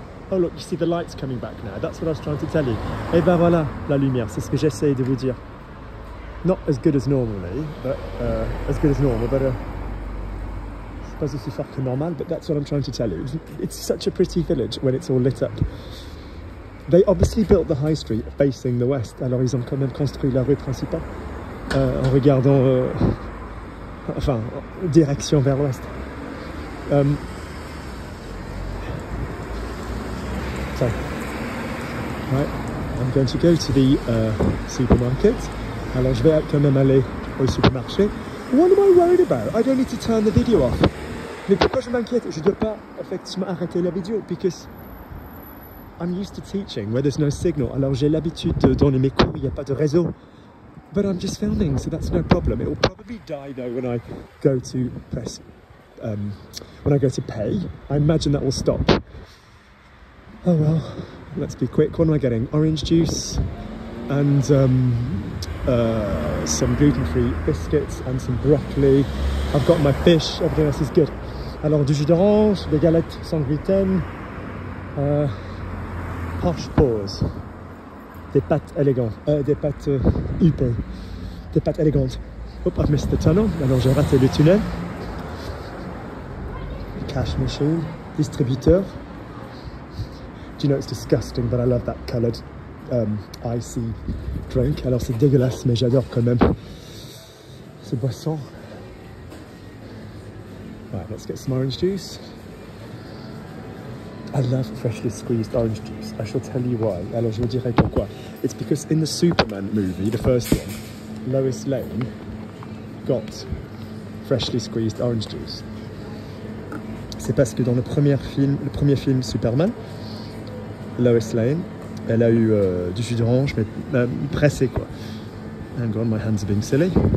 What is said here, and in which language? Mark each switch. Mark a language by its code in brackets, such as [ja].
[en] Oh look, you see the lights coming back now. That's what I was trying to tell you. [fr] Et ben voilà, la lumière. C'est ce que j'essaie de vous dire. [en] Not as good as normally, but as good as normal. But [fr] c'est pas aussi fort que normal. [en] But that's what I'm trying to tell you. It's such a pretty village when it's all lit up. They obviously built the high street facing the west. [fr] Alors ils ont quand même construit la rue principale. En regardant, enfin, direction vers l'ouest. [en] Right, I'm going to go to the supermarket. [fr] Alors, je vais quand même aller au supermarché. [en] What am I worried about? I don't need to turn the video off. [fr] Mais pourquoi je m'inquiète? Je ne dois pas effectivement arrêter la vidéo, [en] because I'm used to teaching where there's no signal. [fr] Alors, j'ai l'habitude de donner mes cours, il n'y a pas de réseau. [en] But I'm just filming, so that's no problem. It will probably die though when I go to press, when I go to pay. I imagine that will stop. Oh well, let's be quick. What am I getting? Orange juice and some gluten-free biscuits and some broccoli. I've got my fish, everything else is good. [fr] Alors, du jus d'orange, des galettes sans gluten, Porsche pause, des pâtes élégantes, des pâtes huppées, des pâtes élégantes. [en] Oh, I've missed the tunnel. [fr] Alors, j'ai raté le tunnel. [en] Cash machine, distributeur. Do you know it's disgusting, but I love that coloured icy drink. [fr] Alors, c'est dégueulasse, mais j'adore quand même ce boisson. [en] Right, let's get some orange juice. I love freshly squeezed orange juice. I shall tell you why. [fr] Alors, je vous dirai pourquoi. [en] It's because in the Superman movie, the first one, Lois Lane got freshly squeezed orange juice. [fr] C'est parce que dans le premier film Superman, Lois Lane, elle a eu du jus d'orange, mais pressé, quoi. [en] Hang on, my hands are being silly.